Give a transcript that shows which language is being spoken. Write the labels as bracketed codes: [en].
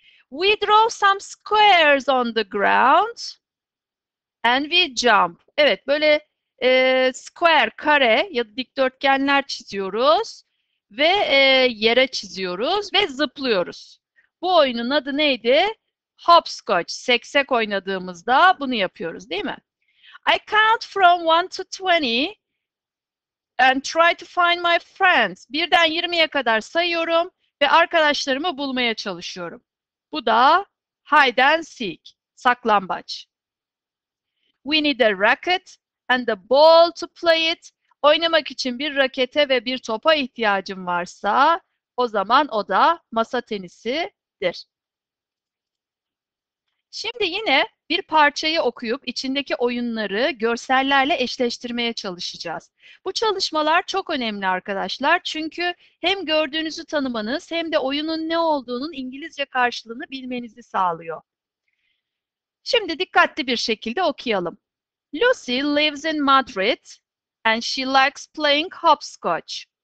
[en] We draw some squares on the ground and we jump. [tr] Evet, böyle square, kare ya da dikdörtgenler çiziyoruz ve yere çiziyoruz ve zıplıyoruz. Bu oyunun adı neydi? Hopscotch, seksek oynadığımızda bunu yapıyoruz, değil mi? [en] I count from 1 to 20 and try to find my friends. [tr] Birden 20'ye kadar sayıyorum ve arkadaşlarımı bulmaya çalışıyorum. Bu da hide and seek, saklambaç. [en] We need a racket and a ball to play it. [tr] Oynamak için bir rakete ve bir topa ihtiyacım varsa o zaman o da masa tenisidir. Şimdi yine bir parçayı okuyup içindeki oyunları görsellerle eşleştirmeye çalışacağız. Bu çalışmalar çok önemli arkadaşlar. Çünkü hem gördüğünüzü tanımanız hem de oyunun ne olduğunun İngilizce karşılığını bilmenizi sağlıyor. Şimdi dikkatli bir şekilde okuyalım. [en] Lucy lives in Madrid and she likes playing hopscotch.